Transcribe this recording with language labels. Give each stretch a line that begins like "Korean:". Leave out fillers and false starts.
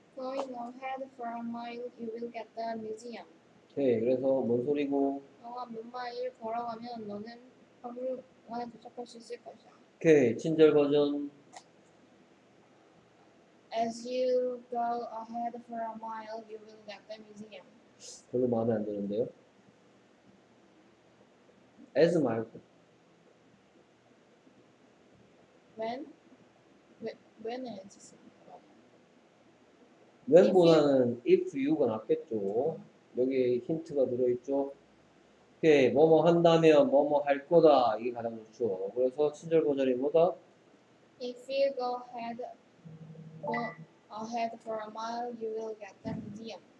English: Going ahead for a mile, you will get the museum.
Korean: 그래서 뭔 소리고? 너가 몇 마일 걸어가면 너는 박물관에 도착할 수 있을 것이야. 오케이. 친절 버전.
English: As you go ahead for a mile, you will get the museum.
Korean: 별로 마음에 안 드는데요? As 말고.
English: When is this? If you
Korean: 웬보다는
English: if you
Korean: 가 낫겠죠. 여기에 힌트가 들어있죠. 오케이. 뭐뭐 한다면 뭐뭐 할 거다. 이게 가장 좋죠. 그래서 친절 버전이 뭐다?
English: If you go ahead for a mile, you will get the museum.